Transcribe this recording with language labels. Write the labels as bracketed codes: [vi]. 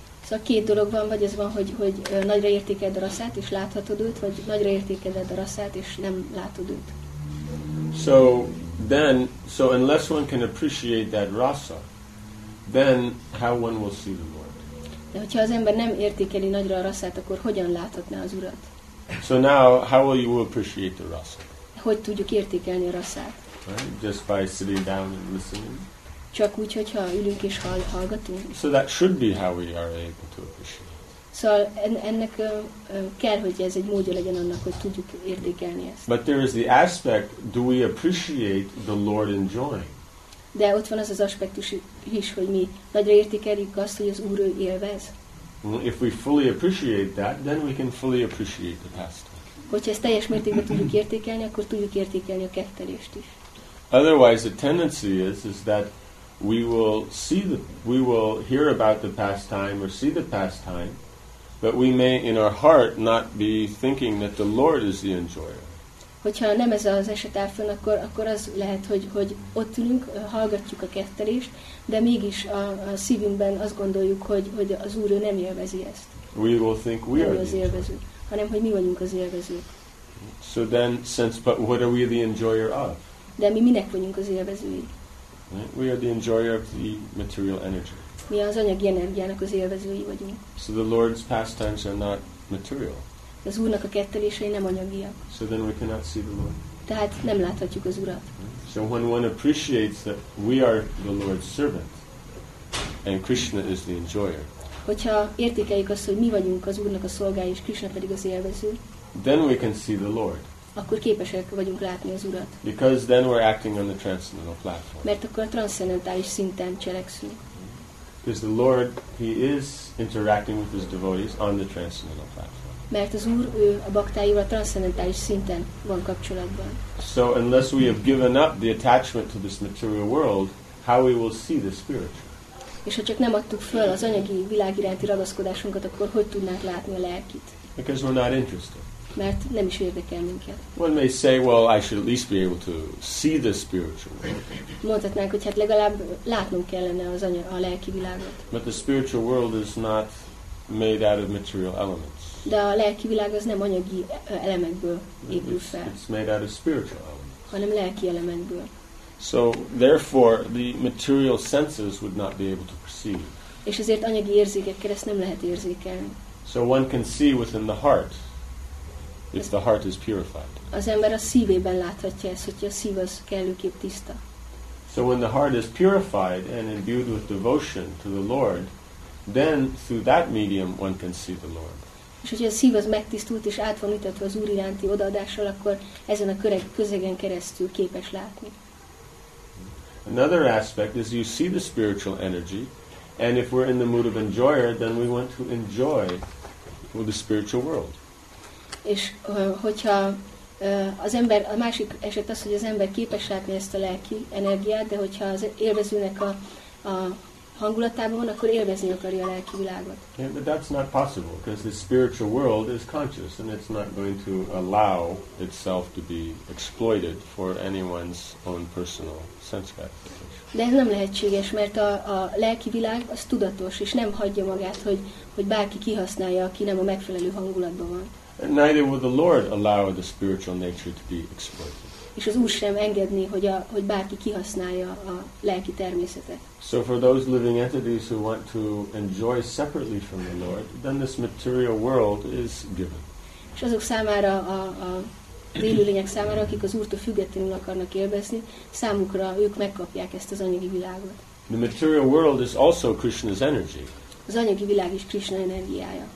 [hu] Szóval két dolog van, vagy ez van, hogy nagyra értékeled a rasát és láthatod őt, vagy nagyra értékeled a rasát és nem látod őt. [en] So unless one can appreciate that rasa, then how one will see the Lord? [hu] De hogyha az ember nem értékeli nagyra a rasát, akkor hogyan láthatná az Urat? [en] So now, how will you appreciate the rasa? [hu] Hogy tudjuk értékelni a rasát? [en] Right? Just by sitting down and listening. [hu] Csak úgy, hogyha ülünk és hallgatunk. [en] So that should be how we are able to appreciate. [hu] Szóval ennek kell, hogy ez egy módja legyen annak, hogy tudjuk értékelni ezt. [en] But there is the aspect, do we appreciate the Lord enjoying? [hu] De ott van az az aspektus is, hogy mi nagyra értékeljük azt, hogy az Úr élvez. [en] Well, if we fully appreciate that, then we can fully appreciate the pastime. [hu] Hogyha ezt teljes mértékben tudjuk értékelni, akkor tudjuk értékelni a kettelést is. [en] Otherwise, the tendency is that we will hear about the pastime or see the pastime, but we may in our heart not be thinking that the Lord is the enjoyer. [hu] Hogyha nem ez az eset áll fönn, akkor az lehet, hogy ott ülünk, hallgatjuk a kettelést, de mégis a szívünkben azt gondoljuk, hogy az Úr nem élvezi ezt. [en] We will think we are the [hu] élvezők, hanem hogy mi vagyunk az élvezők. [en] So then, but what are we the enjoyer of? [hu] De mi minek vagyunk az élvezői? [en] Right? We are the enjoyer of the material energy. [hu] Mi az anyagi energiának az élvezői vagyunk. [en] So the Lord's pastimes are not material. [hu] Az Úrnak a kettelései nem anyagiak. [en] So then we cannot see the Lord. [hu] Tehát nem láthatjuk az Urat. [en] So when one appreciates that we are the Lord's servant and Krishna is the enjoyer. [hu] Hogyha értékeljük azt, hogy mi vagyunk az Úrnak a szolgái és Krishna pedig az élvező. [en] Then we can see the Lord. [hu] Akkor képesek vagyunk látni az Urat. [en] Because then we're acting on the transcendental platform. [hu] Mert akkor a transzcendentális szinten cselekszünk. [en] Because the Lord, he is interacting with his devotees on the transcendental platform. [hu] Mert az Úr, ő a baktáival a transzcendentális szinten van kapcsolatban. [en] So unless we have given up the attachment to this material world, how we will see the spiritual? [hu] És ha csak nem adtuk föl az anyagi világ iránti ragaszkodásunkat, akkor hogy tudnánk látni a lelkit? [en] Because we're not interested. [hu] Mert nem is érdekel minket. [en] One may say, well, I should at least be able to see the spiritual world. [hu] Mondhatnánk, hogy hát legalább látnunk kellene az a lelki világot. [en] But the spiritual world is not made out of material elements. [hu] De a lelki világ az nem anyagi elemekből épül fel. [en] It's made out of spiritual elements. [hu] Hanem lelki elemekből. [en] So therefore, the material senses would not be able to perceive. [hu] És ezért anyagi érzékekkel ezt nem lehet érzékelni. [en] So one can see within the heart, if the heart is purified. [hu] Az ember a szívében láthatja ezt, hogy a szív az kellőképp tiszta. [en] So when the heart is purified and imbued with devotion to the Lord, then through that medium one can see the Lord. [hu] És hogyha a szív az megtisztult és át van ütetve az Úr iránti odaadással, akkor ezen a közegen keresztül képes látni. [en] Another aspect is you see the spiritual energy, and if we're in the mood of enjoyer, then we want to enjoy the spiritual world. [hu] És hogyha az ember, a másik eset az, hogy az ember képes látni ezt a lelki energiát, de hogyha az élvezőnek a hangulatában van, akkor élvezni akarja a lelki világot. [en] Yeah, but that's not possible, because the spiritual world is conscious, and it's not going to allow itself to be exploited for anyone's own personal sense gratification. [hu] De ez nem lehetséges, mert a lelki világ az tudatos, és nem hagyja magát, hogy bárki kihasználja, aki nem a megfelelő hangulatban van. [en] And neither will the Lord allow the spiritual nature to be exploited. [hu] És az Úr sem engedni, hogy bárki kihasználja a lelki természetet. [en] So for those living entities who want to enjoy separately from the Lord, then this material world is given. [hu] És azok számára, a élőlények számára, akik az Úrtól függetlenül akarnak élvezni, számukra ők megkapják ezt az anyagi világot. [en] The material world is also Krishna's energy. [hu] Az anyagi világ is Krishna energiája.